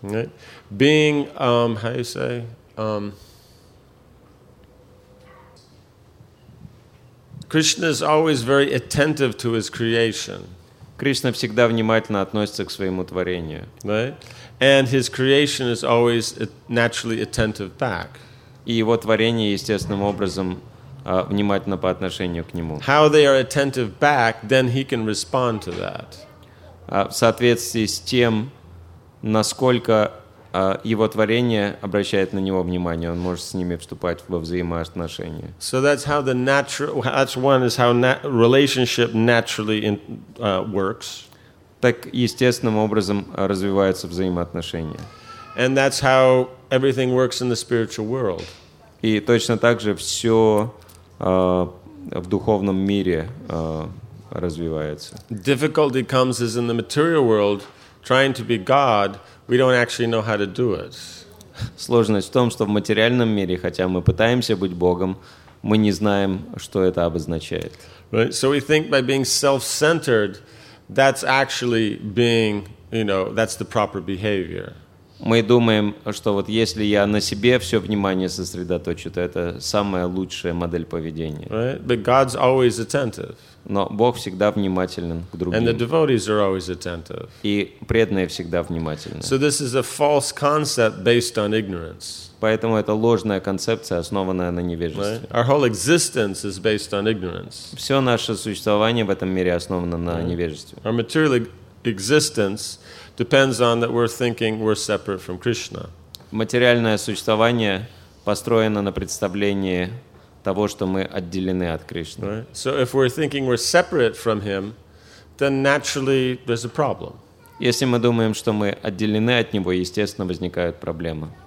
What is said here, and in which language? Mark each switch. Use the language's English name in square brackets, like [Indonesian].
[English] Right. Being, how you say, Krishna is always very attentive to his creation. [Russian] Кришна всегда внимательно относится к своему творению. [English] Right. And his creation is always naturally attentive back. [Russian] И его творение естественным образом внимательно по отношению к нему. [English] How they are attentive back, then he can respond to that. [Russian] В соответствии с тем, насколько его творение обращает на него внимание, он может с ними вступать во взаимоотношения. [English] So that's how the natural, that's one is how relationship naturally works. [Russian] Так естественным образом развиваются взаимоотношения. [English] And that's how everything works in the spiritual world. [Russian] И точно так же все в духовном мире развивается. [English] Difficulty comes as in the material world, trying to be God, we don't actually know how to do it. [Russian] Сложность в том, что в материальном мире, хотя мы пытаемся быть Богом, мы не знаем, что это обозначает. [English] Right? So we think by being self-centered, that's actually being, you know, that's the proper behavior. [Russian] Мы думаем, что вот если я на себе все внимание сосредоточу, то это самая лучшая модель поведения. [English] Right? But God's always attentive. [Russian] Но Бог всегда внимателен к другим. [English] And the devotees are always attentive. [Russian] И преданные всегда внимательны. [English] So this is a false concept based on ignorance. [Russian] Поэтому это ложная концепция, основанная на невежестве. [English] Right? Our whole existence is based on ignorance. [Russian] Все наше существование в этом мире основано на невежестве. [English] Our material existence depends on that we're thinking we're separate from Krishna. [Russian] Материальное существование построено на представлении того, что мы отделены от Кришны. [English] Right. So if we're thinking we're separate from him, then naturally there's a problem. [Russian] Если мы думаем, что мы отделены от него, естественно возникают проблемы.